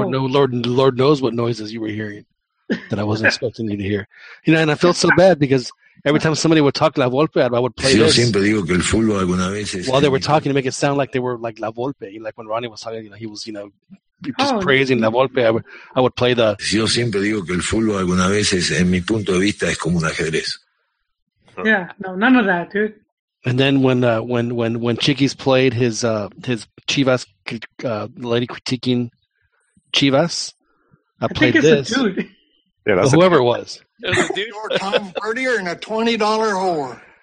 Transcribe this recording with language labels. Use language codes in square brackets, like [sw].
[en] Lord knows what noises you were hearing that I wasn't expecting you to hear. You know, and I felt so bad because every time somebody would talk La Volpe, I would play this. While they were talking to make it sound like they were like La Volpe, like when Ronnie was talking, he was, praising La Volpe, I would play the. [es] Yo siempre digo que el fútbol alguna vez es, en mi punto de vista, es como un ajedrez. [en] Yeah, no, none of that, dude. And then when Chiquis played his Chivas, lady critiquing Chivas, I played this. Yeah, that's whoever it was. It was a dude. You're Tom Brady and a $20 whore.